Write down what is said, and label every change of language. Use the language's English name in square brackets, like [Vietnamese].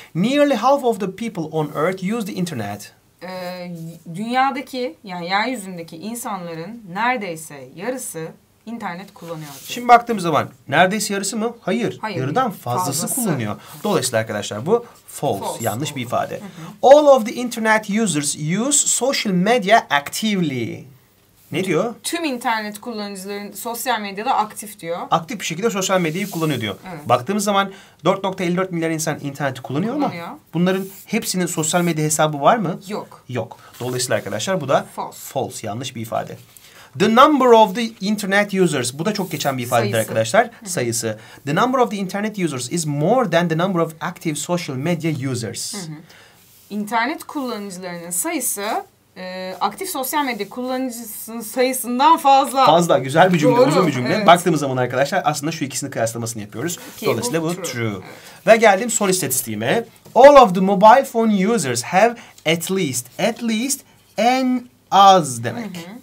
[English] Nearly half of the people on earth use the internet. [Turkish] Dünyadaki yani yeryüzündeki insanların neredeyse yarısı internet kullanıyor. Şimdi baktığımız zaman neredeyse yarısı mı? Hayır. Hayır. Yarıdan fazlası kullanıyor. Dolayısıyla arkadaşlar bu [English] false. [Turkish] Yanlış bir ifade. [English] All of the internet users use social media actively. [Turkish] Ne diyor? Tüm internet kullanıcıların sosyal medyada aktif diyor. Aktif bir şekilde sosyal medyayı kullanıyor diyor. Evet. Baktığımız zaman 4.54 milyar insan interneti kullanıyor, kullanıyor ama bunların hepsinin sosyal medya hesabı var mı? Yok. Yok. Dolayısıyla arkadaşlar bu da [English] false. False. [Turkish] Yanlış bir ifade. [English] The number of the internet users. [Turkish] Bu da çok geçen bir ifadedir sayısı. Arkadaşlar. Sayısı. [English] The number of the internet users is more than the number of active social media users. [Turkish] İnternet kullanıcılarının sayısı aktif sosyal medya kullanıcısının sayısından fazla. Fazla. Güzel bir cümle. Doğru. Uzun bir cümle. Evet. Baktığımız zaman arkadaşlar aslında şu ikisini kıyaslamasını yapıyoruz. [English] Okay, [Turkish] dolayısıyla bu [English] true. [Turkish] Evet. Ve geldim son istatistiğime. [English] All of the mobile phone users have at least [Turkish] en az demek.